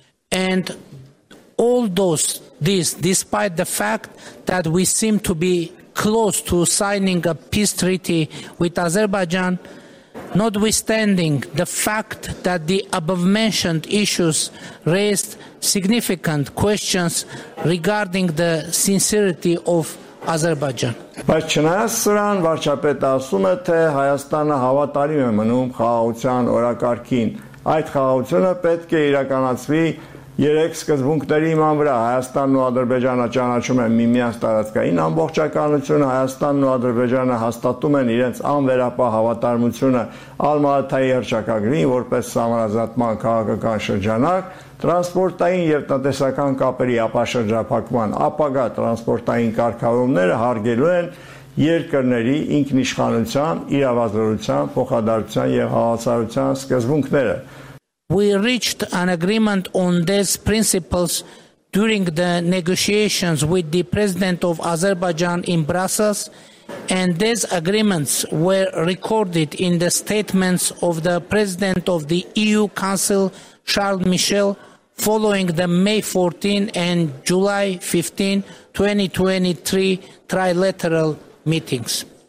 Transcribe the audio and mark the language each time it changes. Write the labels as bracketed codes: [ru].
[en] And all those, this, despite the fact that we seem to be close to signing a peace treaty with Azerbaijan, notwithstanding the fact that the above mentioned issues raised significant questions regarding the sincerity of Azerbaijan. [hy] Բայց չնայած սրան, վարչապետը ասում է, թե Հայաստանը հավատարիմ է մնում խաղաղության օրակարգին։ Այդ խաղաղությունը պետք է իրականացվի երեք սկզբունքների հիման վրա. Հայաստանն ու Ադրբեջանը ճանաչում են միմյանց տարածքային ամբողջականությունը, Հայաստանն ու Ադրբեջանը հաստատում են իրենց անվերապահ հավատարմությունը Ալմաատայի հռչակագրին որպես սահմանազատման քաղաքական շրջանակ, տրանսպորտային և տնտեսական կապերի ապաշրջափակման ապագա տրանսպորտային կարգավորումները հարգելու են երկրների ինքնիշխանության, իրավազորության, փոխադարձության և հավասարության սկզբունքները։ [en] We reached an agreement on these principles during the negotiations with the President of Azerbaijan in Brussels, and these agreements were recorded in the statements of the President of the EU Council, Charles Michel, following the May 14 and July 15, 2023 trilateral meetings.